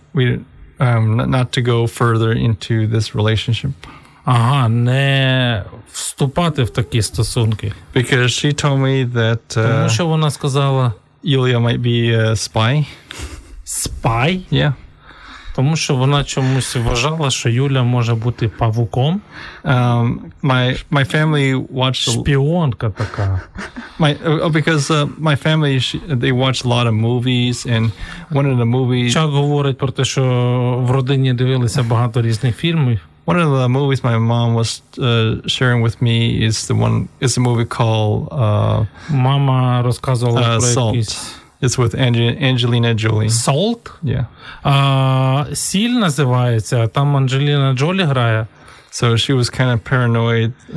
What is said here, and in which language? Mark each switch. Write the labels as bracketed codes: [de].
[en] not to go further into this relationship. [uk] Ага, не вступати в такі стосунки. [en] Because she told me that. [uk] Тому що вона сказала, [en] Юлія might be a spy. Spy? Yeah. [uk] Тому що вона чомусь вважала, що Юля може бути павуком. [en] My family watched [uk] шпіонка така. [en] My family they watch a lot of movies and one of the movies. [uk] Чак говорить про те, що в родині дивилися багато різних фільмів. [en] One of the movies my mom was sharing with me is a movie called [uk] Мама розказувала про якийсь. [en] It's with Angelina Jolie. Salt? Yeah. [uk] Сіль називається, там Анджеліна Джолі грає. [en] So she was kind of paranoid.